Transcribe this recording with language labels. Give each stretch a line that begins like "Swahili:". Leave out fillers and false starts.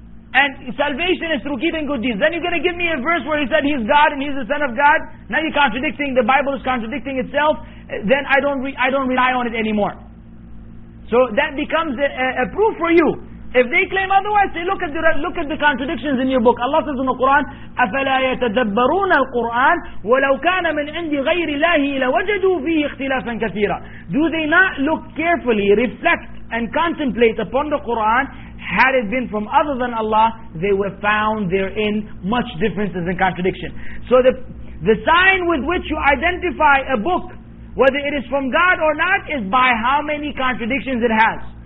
English: And salvation is through keeping good deeds. Then you're going to give me a verse where he said he's God and he's the Son of God. Now you're contradicting, the Bible is contradicting itself. Then I don't rely on it anymore. So that becomes a proof for you. If they claim otherwise, say look at the contradictions in your book. Allah says in the Quran,
Arabic: أَفَلَا يَتَدَبَّرُونَ الْقُرْآنَ وَلَوْ كَانَ مِنْ عِنْدِ غَيْرِ اللَّهِ لَوَجَدُوا فِيهِ اخْتِلَافًا كَثِيرًا.
English: Do they not look carefully, reflect and contemplate upon the Quran? Had it been from other than Allah, they would have found therein much differences and contradiction. So the sign with which you identify a book, whether it is from God or not, is by how many contradictions it has.